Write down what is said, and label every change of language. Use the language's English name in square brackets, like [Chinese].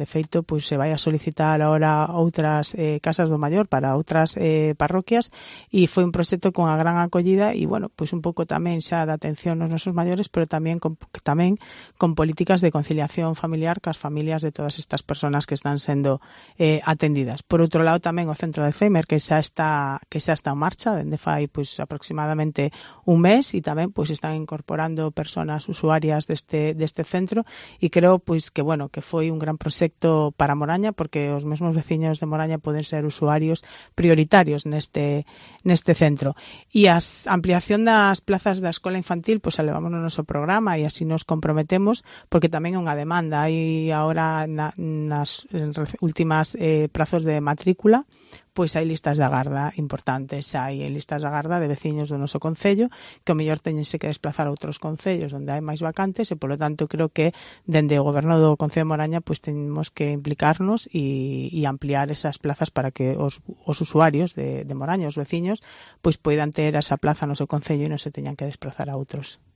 [Galician] De feito, pois se vai a solicitar ahora outras casas do maior para outras parroquias, e foi un proxecto con a gran acollida e, bueno, pois un pouco tamén xa de atención aos nosos maiores, pero tamén con políticas de conciliación familiar cas familias de todas estas personas que están sendo atendidas. Por outro lado, tamén o centro de Alzheimer, que xa está en marcha, dende fai [Spanish] pues aproximadamente un mes, y también pues están incorporando personas usuarias de este centro, y creo pues que bueno, que fue un gran proyecto para Moraña, porque los mismos vecinos de Moraña pueden ser usuarios prioritarios en este centro. [Galician] Y a ampliación das plazas da escola infantil, pues elevamos no noso programa [Spanish] y así nos comprometemos, porque también [Galician] é unha demanda. Hay ahora nas últimas prazos de matrícula, pois hai listas de agarda importantes, hai listas de agarda de veciños do noso concello, que o mellor teñense que desplazar a outros concellos onde hai máis vacantes, e polo tanto creo que dende o goberno do Concello de Moraña pois temos que implicarnos e ampliar esas plazas para que os usuarios de Moraña, os veciños, pois poidan ter esa plaza no seu concello e non se teñan que desplazar a outros.